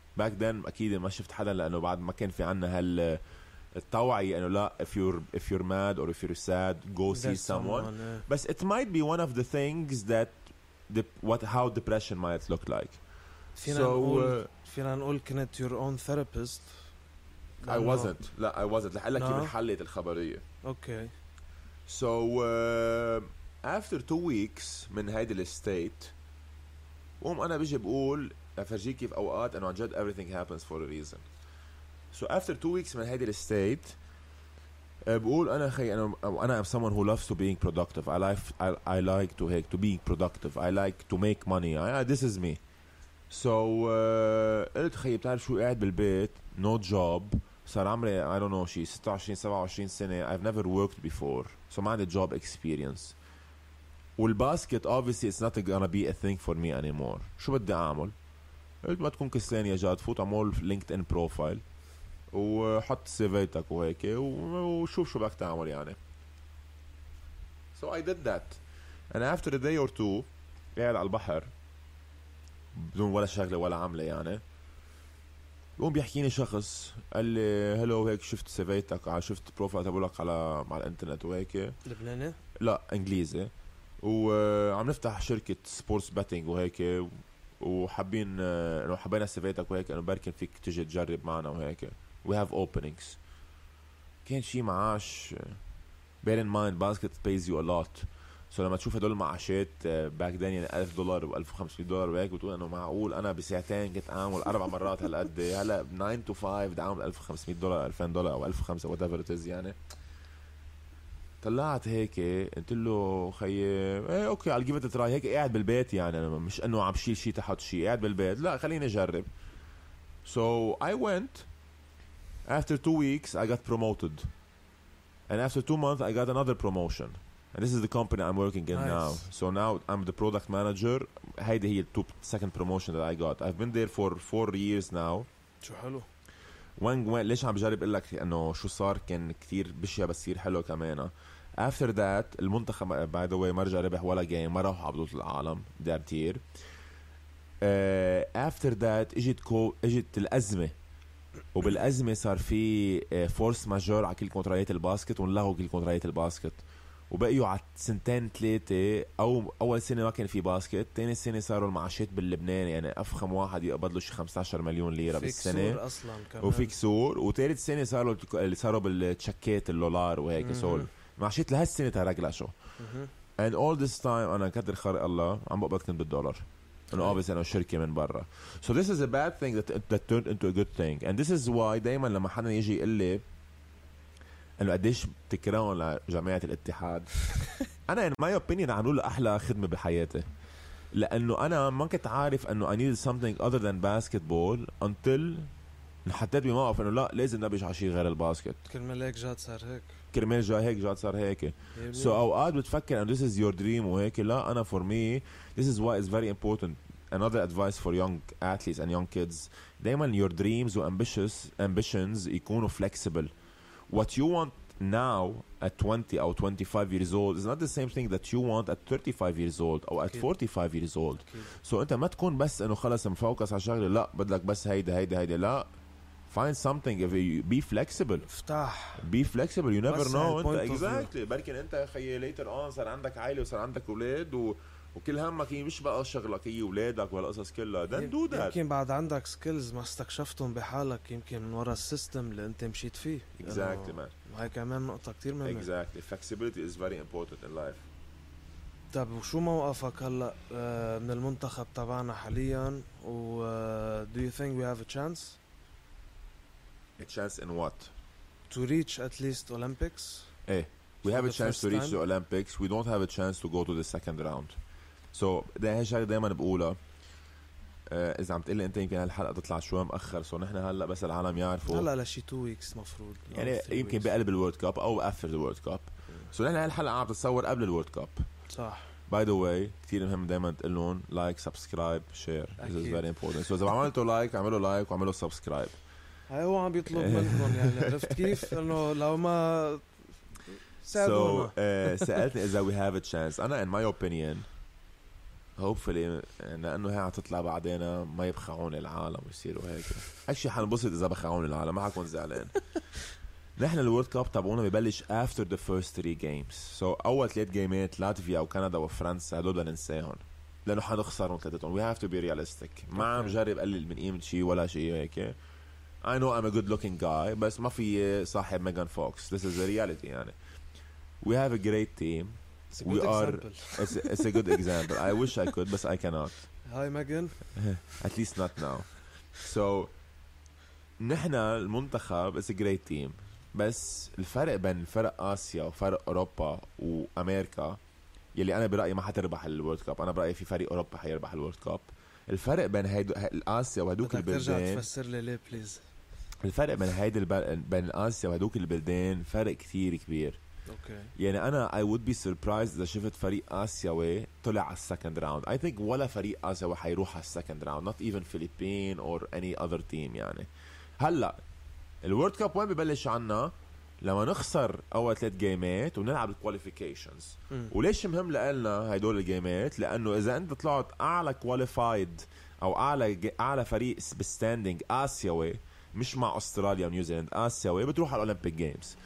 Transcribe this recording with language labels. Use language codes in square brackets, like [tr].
[en] Back then, [ar] أكيد ما شفت حدا لأنه بعد ما كان في عنا هال التوعي أنه لا, [en] if you're mad or if you're sad, go see someone. But it might be one of the things that how depression might look like. [ar] فينا نقول كنت [en] your own therapist. I wasn't. [ar] لحقلك كيف حليت الخبرية. [en] Okay. So after 2 weeks [ar] من هيدي الستيت, قوم أنا بيجي بقول أفرجيك كيف أوقات أنه عن جد [en] everything happens for a reason. So after 2 weeks [ar] من هيدي الستيت, بقول أنا خي أنا [en] I'm someone who loves to being productive. I like to be productive. I like to make money. This is me. So [ar] قلت خي بتعرف شو, قاعد بالبيت [en] no job. [ar] صار عمري [en] I don't know [ar] شي 26-27 سنة. [en] I've never worked before, so [ar] ما عندي [en] job experience. [ar] والباسكت [en] obviously it's not gonna be a thing for me anymore. [ar] شو بدي أعمل؟ قلت ما تكون كسلان يا جاد, فوت عمول LinkedIn profile وحط سيفيتك وهيك وشوف شو بدك تعمل يعني. [en] So I did that. And after a day or two, [ar] قاعد على البحر بدون ولا شغلة ولا عملة يعني, قوم بيحكيني شخص قال لي هلو هيك شفت سيفيتك, شفت بروفايل تبعك على الانترنت وهيك. لبناني؟ لا انجليزي. وعم نفتح شركة سبورتس باتينج وهيك, وحابين انه حبينا سيفيتك وهيك انه بركن فيك تجي تجرب معنا وهيك. [en] We have openings. [ar] كان شي معاش, [en] bear in mind basket pays you a lot. So [ar] لما تشوف هدول المعاشات [en] back then [ar] يعني $1,000 و$1,500 وهيك, بتقول انه معقول انا بساعتين كنت اعمل 4 مرات هالقد, هلا [en] 9 to 5 [ar] بدي اعمل $1,500 $2,000 او 1,500 [en] whatever it is [ar] يعني. طلعت هيك قلت له خي اوكي [en] I'll give it a try. [ar] هيك قاعد بالبيت يعني, انا مش انه عم شيل شي تحت شي, قاعد بالبيت لا خليني اجرب. [en] So I went. After 2 weeks, I got promoted. And after 2 months, I got another promotion. And this is the company I'm working in now. So now I'm the product manager. [ar] هيدي هي [en] second promotion that I got. I've been there for 4 years now. [ar] شو حلو. [en] When [ar] ليش عم بجرب لك انه شو صار, كان كتير بشي بصير حلو كمان. [en] After that, [ar] المنتخب, [en] by the way, [ar] ما رجع ربح ولا game, ما راحوا على بطولة العالم. [en] They're tier. After that, [ar] اجت الأزمة. وبالأزمة صار في فورس ماجور على كل كونترايات الباسكت, ونلغوا كل كونترايات الباسكت, وبقيوا على سنتين ثلاثة. أو أول سنة ما كان في باسكت, تاني سنة صاروا المعاشات باللبنان يعني أفخم واحد يقبض له شي 15 مليون ليرة بالسنة أصلاً كمان. وفي كسور. وتالت سنة صاروا بالتشكات اللولار وهيك. سول معاشات لهالسنة تراجلشوا. [en] And all this time [ar] أنا كدر خارق الله عم بقبض كنت بالدولار. [en] And obviously, I'm a shirky [ar] من برا. [en] So this is a bad thing that turned into a good thing. And this is why [ar] دائما لما حدا يجي يقول لي إنه قديش تكرهون لجامعة الاتحاد, أنا [en] in my opinion [ar] عم أقول أحلى خدمة بحياتي, لأنه أنا ما كنت عارف إنه [en] I needed something other than basketball until [ar] نحطيت بموقف إنه لا لازم نبيش على شيء غير الباسكت. كرمال هيك جات صار هيك. كرمال جا هيك جات صار هيك. [en] So [ar] أوقات بتفكر إنه [en] this is your dream [ar] وهيك, لا أنا [en] for me this is why it's very important. Another advice for young athletes and young kids, [ar] دائما [en] your dreams and ambitions [ar] يكونوا [en] flexible. What you want now at 20 or 25 years old is not the same thing that you want at 35 years old or at 45 years old. So [ar] أنت ما تكون بس إنه خلاص مفوكس على شغلة, لا بدك بس هيدا لا. [en] Find something. If you be flexible. [ar] افتح. [en] Be flexible. You never know. Exactly. [ar] بركن أنت خي later on صار عندك عائلة وصار عندك أولاد وكل همك هي مش بقى شغلك, هي أولادك والقصص كلها. [en] Then do that. [ar] يمكن بعد عندك [en] skills [ar] ما استكشفتهم بحالك, يمكن من ورا السيستم اللي أنت مشيت فيه. [en] Exactly man. [ar] هاي كمان نقطة كتير مهمة. [en] Exactly. Flexibility is very important in life. [ar] طب وشو موقفك هلا من المنتخب تبعنا حاليا, و [en] do you think we have a chance? A chance in what? To reach at least Olympics. Eh, we have a chance to reach the Olympics. We don't have a chance to go to the second round. So the [ar] هالشغلة دائما بقولها, إذا عم تقولي أنت يمكن هالحلقة تطلع شوي مأخر, [en] so [ar] نحن هلا بس العالم يعرفوا. هلا لشي [en] 2 weeks [ar] مفروض. يعني يمكن بقلب الورد كاب أو [en] after the world cup. So [ar] نحن هالحلقة عم تتصور قبل الورد كاب. صح. [en] By the way, [ar] كتير مهم دائما تقولون [en] like, subscribe, share. This is very important. So [ar] إذا عملتوا like, عملوا like وعملوا subscribe. هو عم بيطلب منكم يعني, عرفت كيف؟ انه لو ما [en] So, [ar] سألتني إذا [en] we have a chance. [ar] أنا [en] in my opinion, hopefully, [ar] لأنه هي هتطلع بعدين ما يبخعون العالم ويصيروا هيك. أشي حنبسط إذا بخعون العالم، ما حكون زعلان. نحن الورد كاب تابعونا ببلش [en] after the first three games. So, [ar] أول ثلاث جيمات لاتفيا وكندا وفرنسا هدول بدنا ننساهم، لأنه حنخسرهم ثلاثتهم. [en] We have to be realistic. [ar] ما عم جرب قلل من قيمة شيء ولا شيء هيك. [en] I know I'm a good looking guy, [ar] بس ما في صاحب ميغان فوكس. [en] This is the reality يعني. We have a great team. It's a good example. It's a good example. I wish I could, but I cannot. Hi, Megan. At least not now. So, [ar] نحن المنتخب [en] is a great team. [ar] بس الفرق بين فرق آسيا وفرق أوروبا وأمريكا يلي أنا برأيي ما حتربح الورد كاب. أنا برأيي في فريق أوروبا حيربح الورد كاب. الفرق بين آسيا وهدوك البلدين. ترجع تفسر لي ليه بليز. الفرق بين هيدا بين آسيا وهدوك البلدين فرق كثير كبير. [en] Okay. [ar] يعني أنا [en] I would be surprised [ar] إذا شفت فريق آسيوي طلع على السكند راوند. [en] I think [ar] ولا فريق آسيوي حيروح على السكند راوند. [en] Not even Philippines or any other team [ar] يعني. هلأ الورد كاب وين ببلش عنا؟ لما نخسر أول ثلاث جيمات ونلعب الكواليفيكيشنز. وليش مهم لقلنا هيدول الجيمات؟ لأنه إذا أنت طلعت أعلى كواليفايد أو أعلى فريق بستاندينج آسيوي مش مع أستراليا ونيوزيلند، آسيوي بتروح على الأولمبيك جيمز.